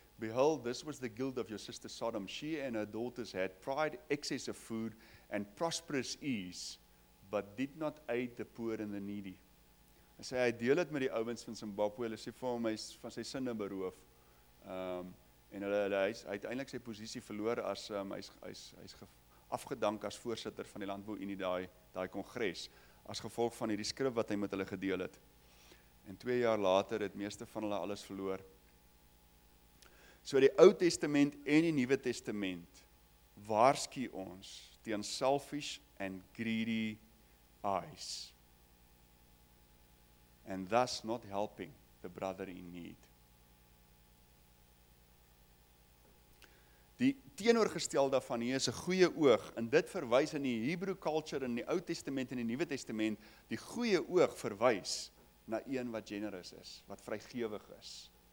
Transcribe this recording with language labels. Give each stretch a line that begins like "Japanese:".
English: Behold, this was the guild of your sister Sodom. She and her daughters had pride, excess of food, and prosperous ease, but did not aid the poor and the needy.
Afrikaans: Hy sê, hy deel het met die ouwens van Zimbabwe, hulle sê vir hom, hy is van sy sinne beroof, en hy uiteindelik sy posisie verloor, as hy is afgedank as voorsitter van die Landbou Unie, daai kongres, as gevolg van die skrif wat hy met hulle gedeel het. En 2 jaar later het meeste van hulle alles verloor. So die Ou Testament en die Nuwe Testament waarsku ons teen
English: selfish and greedy eyes. And thus not helping the brother in need.
Afrikaans: Die teenoorgestelde van hier is 'n goeie oog en dit verwys in die Hebrew culture in die Ou Testament en die Nuwe Testament, die goeie oog verwys na een wat generous is, wat vrygewig is.